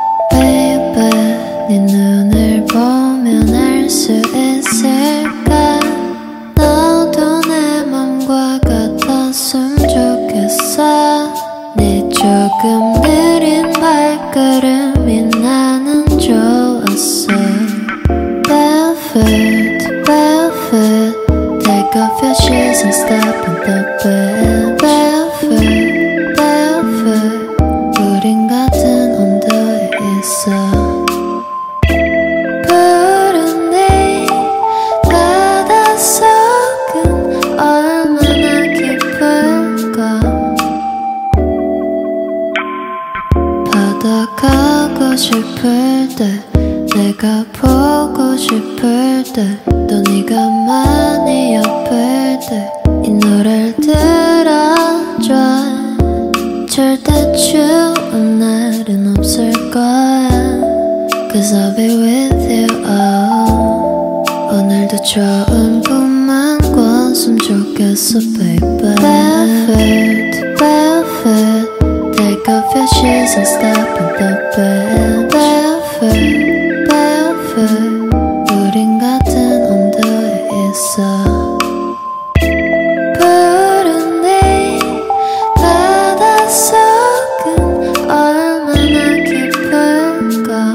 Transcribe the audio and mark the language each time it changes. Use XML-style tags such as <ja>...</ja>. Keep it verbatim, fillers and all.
<ko>Baby, 네 눈을 보면 알 수 있을까? 너도 내 맘과 같았으면 좋겠어. 네 조금 느린 발걸음이 나는 좋았어.</ko> <en>Velvet, velvet, take off your shoes and stop and look back.</en> <ko>Velvet, velvet, 우린 같은 온도에 있어. 푸른 내 바닷속은 얼마나 깊을까? 바다 가고 싶을 때, 내가 보고 싶을 때, 또 네가 많이 아플 때 이 노래를 들어줘. 절대 추운 날은 없을 거야.</ko> <en>Cause I'll be with you all.</en> <ko>오늘도 좋은 꿈만 꿨으면 좋겠어, baby.</ko> <en>Velvet, velvet, take off your shoes and stop in the bed.</en> <ko>Velvet, velvet, 우린 같은 온도에 있어. 푸른 내 바닷속은 얼마나 깊을까?</ko>